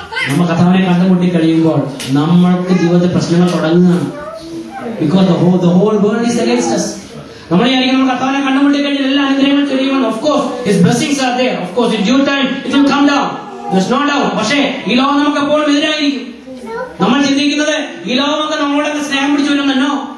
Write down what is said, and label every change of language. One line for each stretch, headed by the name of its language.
Malayalam: നമ്മൾ കർത്താവിനെ കണ്ടുമുട്ടിക്കഴിയുമ്പോൾ നമ്മൾക്ക് ജീവിതത്തിൽ പ്രശ്നങ്ങൾ തുടങ്ങുകയാണ്.
English: Because the whole world is against us.
Malayalam: നമ്മളെ ആയിരിക്കും കർത്താവിനെ കണ്ടുമുട്ടിക്കഴിഞ്ഞാൽ എല്ലാ അനുഗ്രഹങ്ങളും ചൊരിയുമാണ്.
English: Of course, his blessings are there. Of course, in due time, it will come down. There's no doubt.
Malayalam: പക്ഷേ ഈ ലോകം നമുക്ക് എപ്പോഴും എതിരായിരിക്കും. നമ്മൾ ചിന്തിക്കുന്നത് ഈ ലോകമൊക്കെ നമ്മളോടൊക്കെ സ്നേഹം പിടിച്ചു വരുന്നോ?